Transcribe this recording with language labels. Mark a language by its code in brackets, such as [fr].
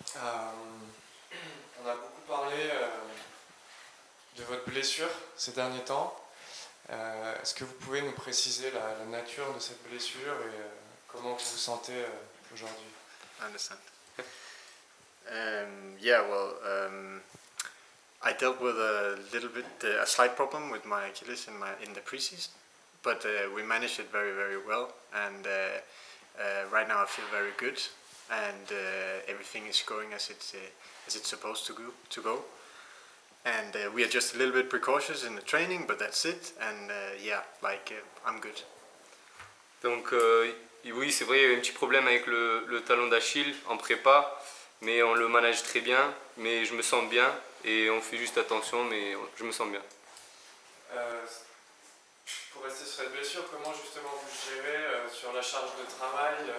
[fr] On a beaucoup parlé de votre blessure ces derniers temps. Est-ce que vous pouvez nous préciser la nature de cette blessure et comment vous vous sentez aujourd'hui? [en] I understand. I dealt with a slight problem with my Achilles in the preseason, but we managed it very, very well. And right now I feel very good. And everything is going as it's supposed to go. And we are just a little bit precautious in the training, but that's it. And I'm good. [fr] Donc oui, c'est vrai, il y a eu un petit problème avec le talon d'Achille en prépa, mais on le manage très bien. Mais je me sens bien et on fait juste attention, mais je me sens bien. Pour rester sur cette blessure, comment justement vous gérez sur la charge de travail?